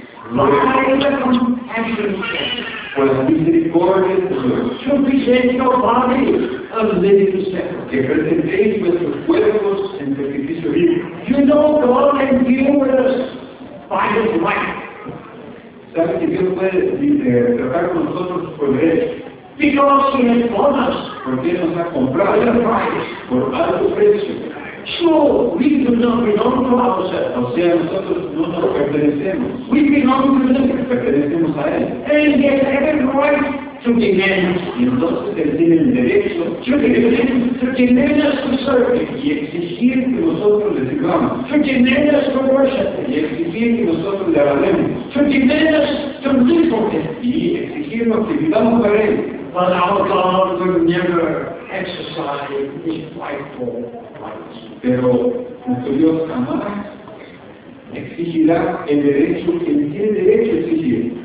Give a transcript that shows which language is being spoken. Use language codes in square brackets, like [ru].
[en] by the compassion of God, [es] por las misericordias de Dios, [en] to present your body a living sacrifice, [es] que presentéis vuestros cuerpos en sacrificio vivo. [en] You know God can deal with us by His might. [es] ¿Sabes que Dios puede tratar con nosotros por derecho? [en] Because He has bought us. [es] Porque nos ha comprado. [en] By the price. [es] Por alto precio. [en] So we do not belong to ourselves. [es] O sea, nosotros no nos pertenecemos. [en] We belong to Him. [es] Pertenecemos a Él. [en] And He has every right to demand us. [es] Y entonces Él tiene el derecho [en] to demand us to serve Him. [es] Y exigir que nosotros le sirvamos. [en] To demand us to worship Him. [es] Y exigir que nosotros le alabemos. [en] To demand us to live for Him. [es] Y exigirnos que vivamos para Él. [en] But our God will never exercise His rightful rights. [es] Pero nuestro Dios jamás exigirá el derecho que Él tiene derecho a exigir.